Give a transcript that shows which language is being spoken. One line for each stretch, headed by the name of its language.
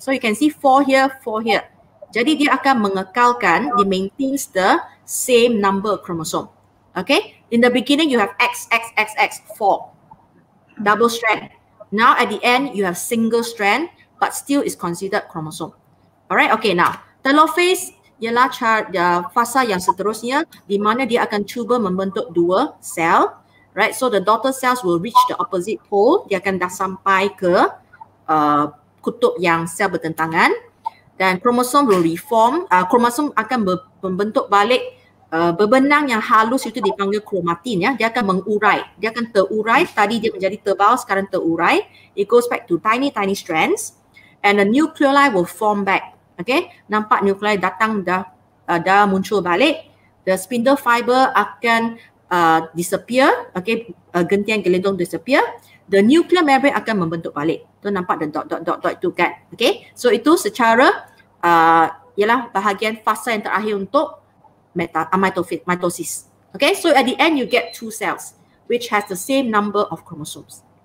English: So you can see four here, four here.
Malay: Jadi dia akan mengekalkan,
English: dia maintains the same number of chromosome. Okay, in the beginning you have X, X, X, X, four. Double strand. Now at the end you have single strand but still is considered chromosome. Alright, okay now.
Malay: Telophase ialah fasa yang seterusnya di mana dia akan cuba membentuk dua sel.
English: Right, so the daughter cells will reach the opposite pole.
Malay: Dia akan dah sampai ke kutub yang sel bertentangan. Dan kromosom
English: will reform.
Malay: Kromosom akan membentuk balik bebenang yang halus itu dipanggil kromatin. Ya. Dia akan mengurai. Dia akan terurai. Tadi dia menjadi tebal, sekarang terurai.
English: It goes back to tiny, tiny strands. And the nuclei will form back.
Malay: Okay, nampak nuclei datang dah muncul balik.
English: The spindle fiber akan disappear, okay, gentian gelendong disappear, the nuclear membrane
Malay: akan membentuk balik. Tu nampak the dot dot dot dot itu kan, okay. So itu secara ialah bahagian fasa yang terakhir untuk mitosis.
English: Okay, so at the end you get two cells which has the same number of chromosomes.